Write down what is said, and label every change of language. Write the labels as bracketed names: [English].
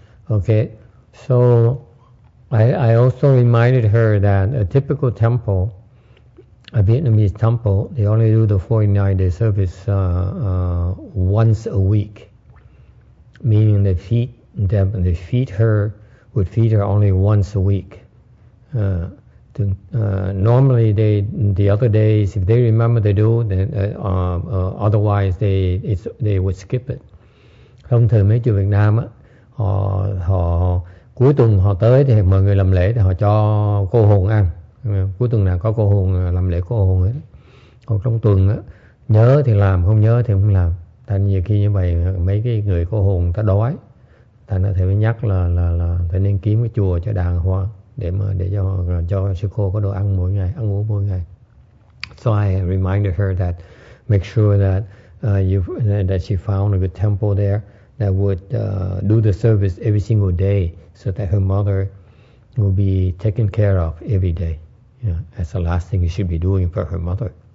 [English] Okay, so I also reminded her that a typical temple, a Vietnamese temple, they only do the 49-day service once a week, meaning they feed them, they feed her, would feed her only once a week. Normally, the other days, if they remember they do, then otherwise they would skip it. [Vietnamese] Thông thường mấy chùa Việt Nam á, họ cuối tuần họ tới thì mọi người làm lễ thì họ cho cô hồn ăn, cuối tuần nào có cô hồn làm lễ cô hồn hết. Còn trong tuần á, nhớ thì làm, không nhớ thì không làm. Thành nhiều khi như vậy mấy cái người cô hồn ta đói, thành thầy mới nhắc là phải nên kiếm cái chùa cho đàng hoàng để cho sư cô có đồ ăn mỗi ngày, ăn uống mỗi ngày. [English] So I reminded her that make sure that that she found a good temple there that would do the service every single day so that her mother will be taken care of every day. You know, that's the last thing you should be doing for her mother.